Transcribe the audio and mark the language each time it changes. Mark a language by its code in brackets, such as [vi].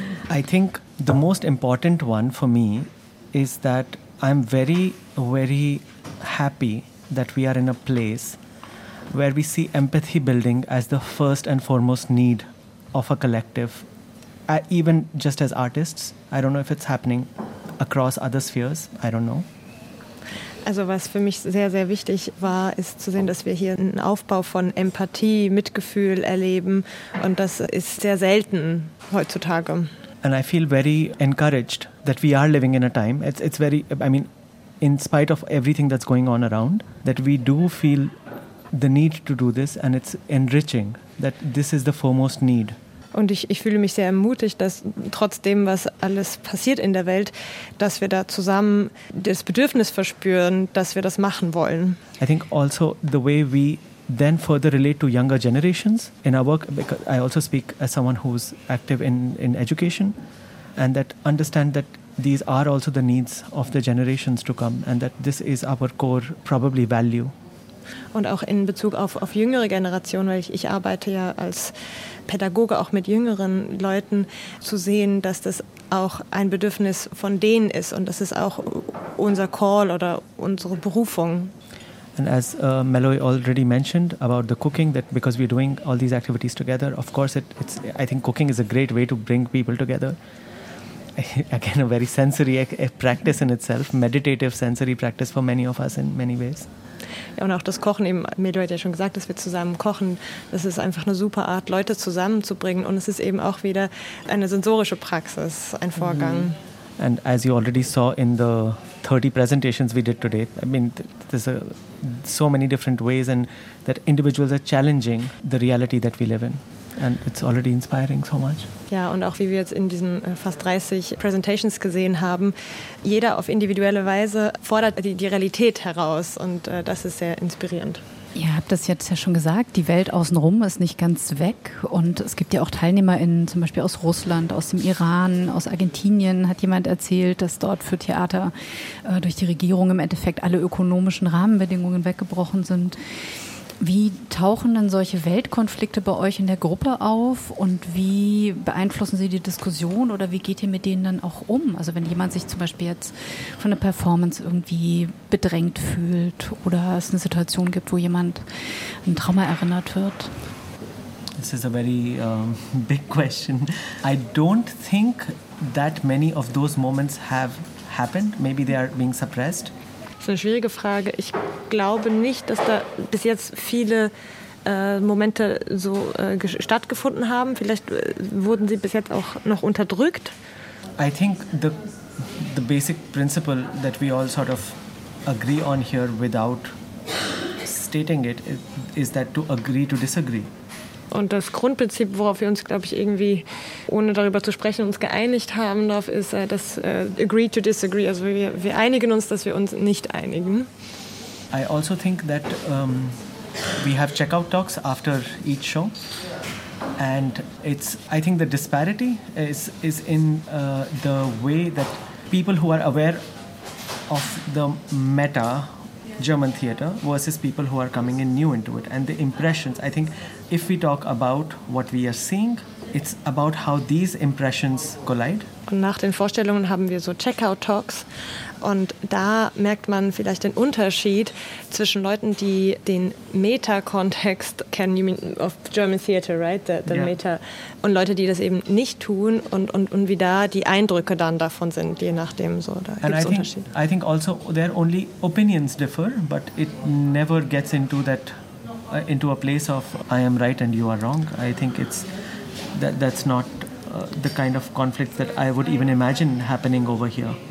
[en] I think the most important one for me is that I'm very, very happy that we are in a place where we see empathy building as the first and foremost need of a collective. Even just as artists, I don't know if it's happening across other spheres, I don't know. [de] Also was für mich sehr, sehr wichtig war, ist zu sehen, dass wir hier einen Aufbau von Empathie, Mitgefühl erleben. Und das ist sehr selten heutzutage. [en] And I feel very encouraged that we are living in a time. It's very, I mean, in spite of everything that's going on around, that we do feel the need to do this and it's enriching. that this is the foremost need. [de] Und ich fühle mich sehr ermutigt, dass trotzdem, was alles passiert in der Welt, dass wir da zusammen das Bedürfnis verspüren, dass wir das machen wollen. [en] I think also the way we then further relate to younger generations in our work, because I also speak as someone who's active in education, and that understand that these are also the needs of the generations to come, and that this is our core probably value. [de] Und auch in Bezug auf jüngere Generationen, weil ich arbeite ja als Pädagoge auch mit jüngeren Leuten, zu sehen, dass das auch ein Bedürfnis von denen ist und das ist auch unser Call oder unsere Berufung. [en] And as Meloy already mentioned about the cooking, that because we're doing all these activities together, of course it's I think cooking is a great way to bring people together. Again, a very sensory practice in itself, meditative sensory practice for many of us in many ways. [de] Ja, und auch das Kochen, eben Meloy hat ja schon gesagt, dass wir zusammen kochen, das ist einfach eine super Art, Leute zusammenzubringen und es ist eben auch wieder eine sensorische Praxis, ein Vorgang. [en] And as you already saw in the 30 presentations we did today, I mean, there's so many different ways and that individuals are challenging the reality that we live in. And it's already inspiring so much. [de] Ja, und auch wie wir jetzt in diesen fast 30 Presentations gesehen haben, jeder auf individuelle Weise fordert die Realität heraus und das ist sehr inspirierend. Ihr habt das jetzt ja schon gesagt, die Welt außenrum ist nicht ganz weg und es gibt ja auch TeilnehmerInnen zum Beispiel aus Russland, aus dem Iran, aus Argentinien hat jemand erzählt, dass dort für Theater durch die Regierung im Endeffekt alle ökonomischen Rahmenbedingungen weggebrochen sind. Wie tauchen denn solche Weltkonflikte bei euch in der Gruppe auf und wie beeinflussen sie die Diskussion oder wie geht ihr mit denen dann auch um? Also wenn jemand sich zum Beispiel jetzt von einer Performance irgendwie bedrängt fühlt oder es eine Situation gibt, wo jemand an Trauma erinnert wird? [en] This is a very big question. I don't think that many of those moments have happened. Maybe they are being suppressed. [de] Das ist eine schwierige Frage. Ich glaube nicht, dass da bis jetzt viele Momente so stattgefunden haben. Vielleicht wurden sie bis jetzt auch noch unterdrückt. [en] I think the basic principle that we all sort of agree on here without stating it is that to agree to disagree. [de] Und das Grundprinzip, worauf wir uns, glaube ich, irgendwie, ohne darüber zu sprechen, uns geeinigt haben, darauf ist das [en] agree to disagree. [de] Also wir einigen uns, dass wir uns nicht einigen. [en] I also think that we have checkout talks after each show. And I think the disparity is in the way that people who are aware of the meta German theater versus people who are coming in new into it and the impressions. I think if we talk about what we are seeing, it's about how these impressions collide. [de] Und nach den Vorstellungen haben wir so Checkout-Talks und da merkt man vielleicht den Unterschied zwischen Leuten, die den Meta-Kontext kennen, [en] you mean of German theater, right? The yeah. Meta. [de] Und Leute, die das eben nicht tun und wie da die Eindrücke dann davon sind, je nachdem so. Da gibt's Unterschiede. [en] I think also their only opinions differ, but it never gets into that into a place of I am right and you are wrong. I think it's that's not the kind of conflict that I would even imagine happening over here.